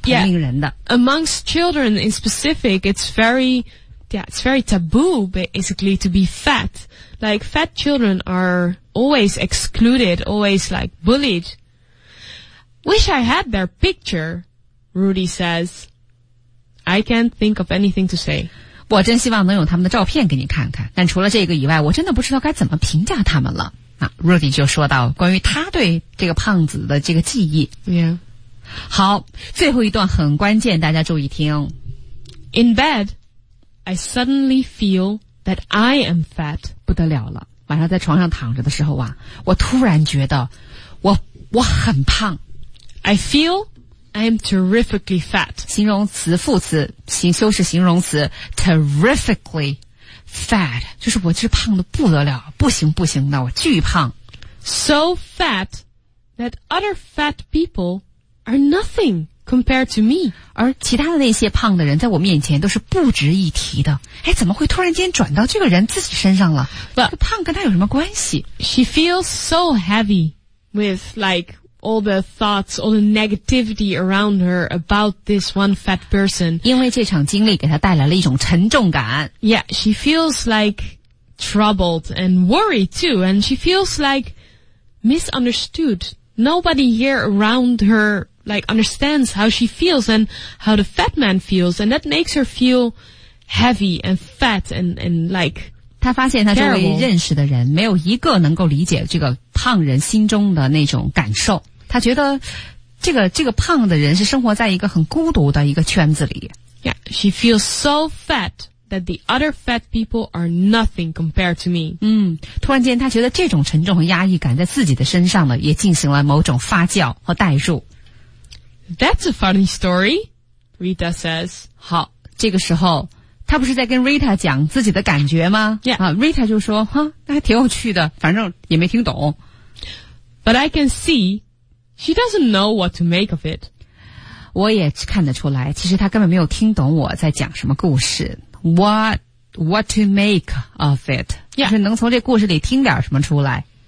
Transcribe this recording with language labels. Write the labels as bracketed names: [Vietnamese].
[Chinese] yeah. 同龄人的。 [English] Amongst children in specific, it's very taboo basically to be fat. Like fat children are always excluded, always like bullied. Wish I had their picture, Rudy says. I can't think of anything to say. [Chinese] 我真希望能用他们的照片给你看看，但除了这个以外，我真的不知道该怎么评价他们了。 Rudy 就说到关于他对这个胖子的这个记忆。 Yeah. 好，最后一段很关键，大家注意听。 [English] In bed, I suddenly feel that I am fat. [Chinese] 不得了了，晚上在床上躺着的时候啊，我突然觉得我很胖。 [English] I feel... I'm terrifically fat. [Chinese] 形容词副词形修饰形容词 terrifically fat. 就是我这胖得不得了不行不行的我巨胖。 [English] So fat that other fat people are nothing compared to me. [Chinese] 而其他的那些胖的人在我面前都是不值一提的。哎怎么会突然间转到这个人自己身上了 [English] But, [Chinese] 这个胖跟他有什么关系 [English] She feels so heavy with like,all the thoughts, all the negativity around her about this one fat person. [Chinese] 因为这场经历给她带来了一种沉重感。 [English] Yeah, she feels like troubled and worried too, and she feels like misunderstood. Nobody here around her like understands how she feels and how the fat man feels, and that makes her feel heavy and fat and like... [Chinese] 他发现他周围认识的人没有一个能够理解这个胖人心中的那种感受。他觉得这个胖的人是生活在一个很孤独的一个圈子里。 [English] Yeah, she feels so fat that the other fat people are nothing compared to me. [Chinese] 突然间他觉得这种沉重和压抑感在自己的身上呢也进行了某种发酵和代入。 [English] That's a funny story, Rita says. [Chinese] 好，这个时候他不是在跟 Rita 讲自己的感觉吗 Yeah. Rita 就说哈，那还挺有趣的反正也没听懂 [English] But I can see she doesn't know what to make of it [Chinese] 我也看得出来其实他根本没有听懂我在讲什么故事 [English] What to make of it、 yeah. [Chinese] 就是能从这故事里听点什么出来